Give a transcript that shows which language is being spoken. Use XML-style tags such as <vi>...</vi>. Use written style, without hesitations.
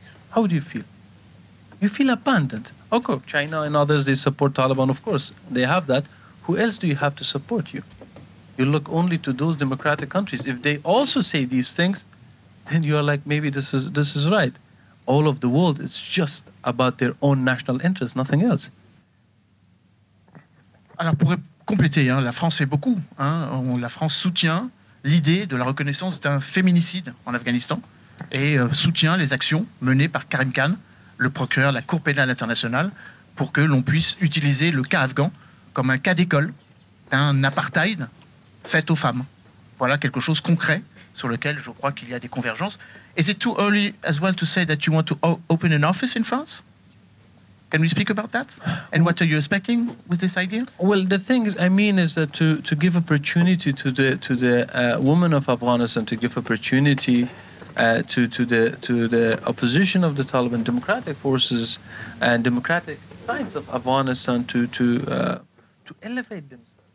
<en>How do you feel? You feel abandoned. Okay, China and others, they support Taliban. Of course, they have that. Who else do you have to support you? You look only to those democratic countries. If they also say these things, then you are like, maybe this is right. All of the world is just about their own national interests, nothing else.</en> <fr>Alors pour compléter, hein, la France fait beaucoup. Hein, la France soutient l'idée de la reconnaissance d'un féminicide en Afghanistan et soutient les actions menées par Karim Khan, le procureur de la Cour pénale internationale, pour que l'on puisse utiliser le cas afghan comme un cas d'école, un apartheid fait aux femmes. Voilà quelque chose de concret sur lequel je crois qu'il y a des convergences.</fr> <en>Is it too early as well to say that you want to open an office in France? Can we speak about that? And what are you expecting with this idea? Well, the thing is, I mean, is that to give opportunity to the women of Afghanistan, to give opportunity to the opposition of the Taliban, democratic forces, and democratic sides of Afghanistan to elevate themselves.</en>